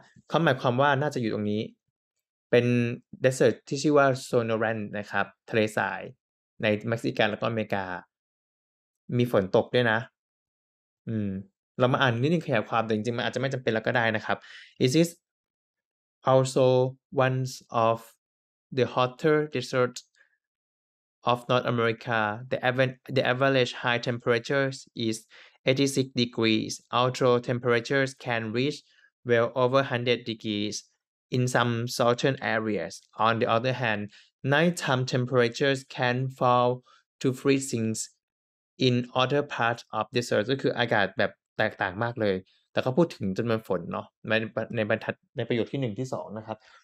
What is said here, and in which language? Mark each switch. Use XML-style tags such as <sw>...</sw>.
<th>ความหมายความว่าน่าจะอยู่ตรงนี้เป็นเดสเซอร์ทที่ชื่อว่าโซโนแรนนะครับทะเลทรายในเม็กซิกันแล้วก็อเมริกามีฝนตกด้วยนะเรามาอ่านนิดนึงขยายความแต่จริงๆมันอาจจะไม่จำเป็นแล้วก็ได้นะครับ</th> <en>It is also one of the hotter deserts of North America. The average high temperatures is 86 degrees. Ultra temperatures can reach well over 100 degreesIn some southern areas, on the other hand, nighttime temperatures can fall to freezing in other parts of the desert.</en> <th>ก็คืออากาศแบบแตกต่างมากเลยแต่เขาพูดถึงจำนวนฝนเนาะในบรรทัดในประโยคที่หนึ่งที่สองนะครับ</th>